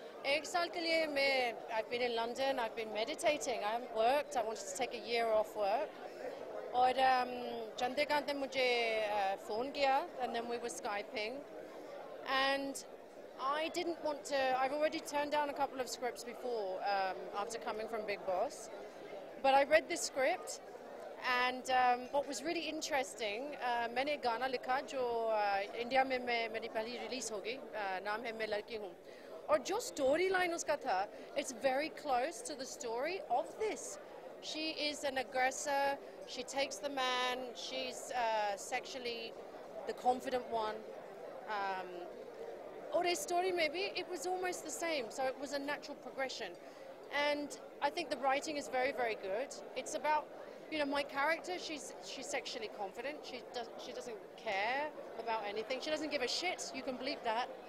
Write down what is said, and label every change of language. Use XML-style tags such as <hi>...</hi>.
<hi>एक साल के लिए मैं</hi> <en>I've been in London, I've been meditating, I haven't worked, I wanted to take a year off work.</en> <hi>और चंद्रकांत ने मुझे फ़ोन किया</hi> <en>and then we were skyping and I didn't want to I already turn down a couple of scripts before after coming from Bigg Boss but I read this script and what was really interesting</en> <hi>मैंने गाना लिखा जो India में मेरी पहली release होगी. नाम है मैं लड़की हूँ और जो स्टोरी लाइन उसका था</hi> <en>It's very close to the story of this. She is an aggressor, she takes the man, she's sexually the confident one. Or his story maybe, it was almost the same, so it was a natural progression. And I think the writing is very, very good. It's about, you know, my character, she's sexually confident, she doesn't care about anything, she doesn't give a shit, you can bleep that.</en>